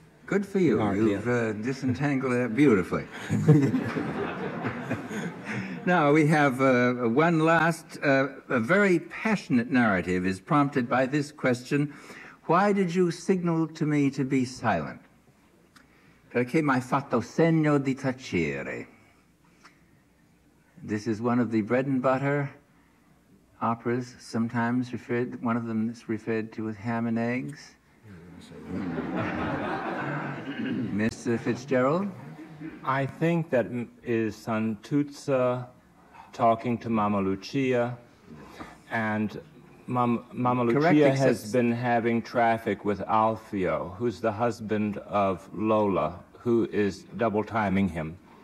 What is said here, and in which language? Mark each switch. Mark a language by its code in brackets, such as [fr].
[en] Good for you. You've disentangled that beautifully. Now, we have one last. A very passionate narrative is prompted by this question. Why did you signal to me to be silent? [it] Perché mi hai fatto segno di tacere. [en] This is one of the bread and butter operas, sometimes referred, one of them is referred to as ham and eggs. Mr. Fitzgerald? I think that is Santuzza talking to Mama Lucia, and Mama Lucia has been having traffic with Alfio, who's the husband of Lola, who is double-timing him.